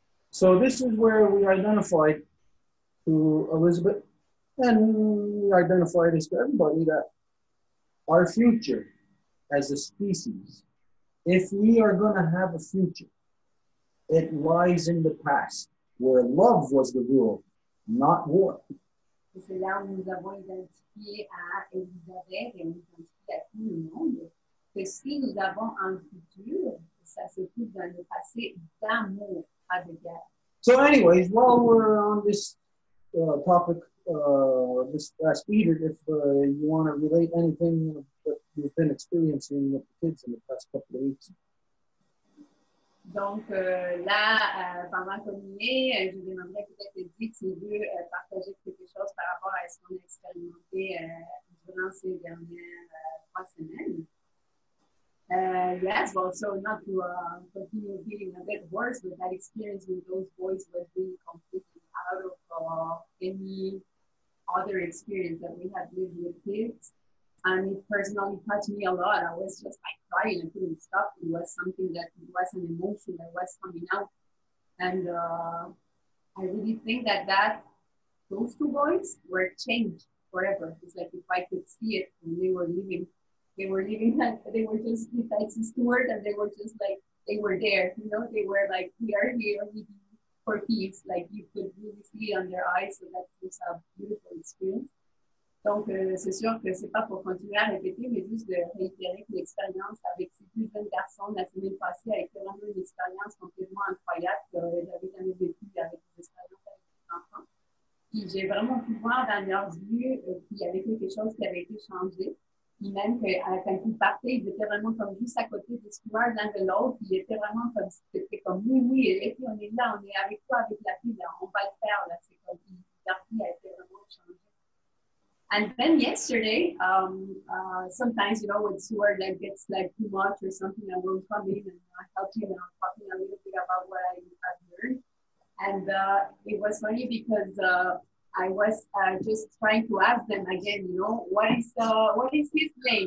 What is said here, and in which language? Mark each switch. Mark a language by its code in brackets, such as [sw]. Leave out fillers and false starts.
[en] So this is where we identify to Elizabeth, and we identify this to everybody, that our future as a species, if we are going to have a future, it lies in the past, where love was the rule, not war. [fr] Et c'est là où nous avons identifié à Elisabeth et nous avons identifié à tout le monde que si nous avons un futur, ça se trouve dans le passé d'amour, pas de guerre. [en] So anyways, while we're on this topic, this last Peter, if you want to relate anything that you've been experiencing with the kids in the past couple of weeks. [fr] Donc là, pendant qu'on y est, je demanderais peut-être Edith s'il veut partager quelque chose par rapport à ce qu'on a expérimenté durant ces dernières trois semaines. [en] Yes, well, so not to continue feeling a bit worse, but that experience with those boys was really completely out of any other experience that we have lived with kids. And it personally touched me a lot. I was just like crying and couldn't stop. It was something that was an emotion that was coming out. And I really think that, those two boys were changed forever. It's like if I could see it when they were living, they were just beside Stuart and they were just like, they were there. You know, they were like, we are here with you for peace. Like you could really see it on their eyes. So that was a beautiful experience. [fr] Donc, c'est sûr que c'est pas pour continuer à répéter, mais juste de réitérer que l'expérience avec ces deux jeunes garçons la semaine passée a été vraiment une expérience complètement incroyable que j'avais jamais vécue avec des expériences avec des enfants. Puis, j'ai vraiment pu voir dans leurs yeux qu'il y avait quelque chose qui avait été changé. Puis, même quand ils partaient, ils étaient vraiment comme juste à côté des couloirs l'un de l'autre. Puis, ils étaient vraiment comme, c'était comme, oui, et puis on est là, on est avec toi, avec la fille, là, on va le faire, là. C'est comme, leur vie a été vraiment changée. [en] And then yesterday, sometimes, you know, when Stuart like, gets like too much or something, I will come in and I help him and I'm talking a little bit about what I have learned. And it was funny because I was just trying to ask them again, you know, what is his name?